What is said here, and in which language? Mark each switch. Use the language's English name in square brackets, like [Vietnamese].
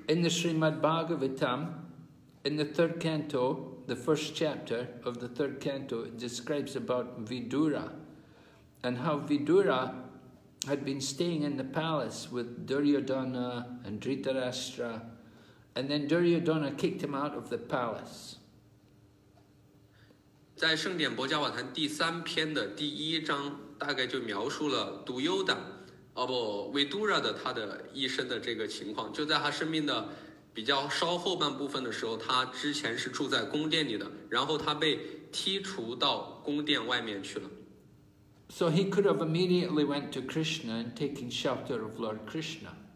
[English] In the Srimad Bhagavatam, in the third canto, the first chapter of the third canto describes about Vidura and how Vidura had been staying in the palace with Duryodhana and Dhritarashtra, and then Duryodhana kicked him out of the palace. [Chinese] 在圣典薄伽瓦坛第三篇的第一章大概就描述了杜优达哦不维杜拉的他的一生的这个情况，就在他生命的比较稍后半部分的时候，他之前是住在宫殿里的，然后他被踢除到宫殿外面去了。 [English] So he could have immediately went to Krishna and taken shelter of Lord Krishna.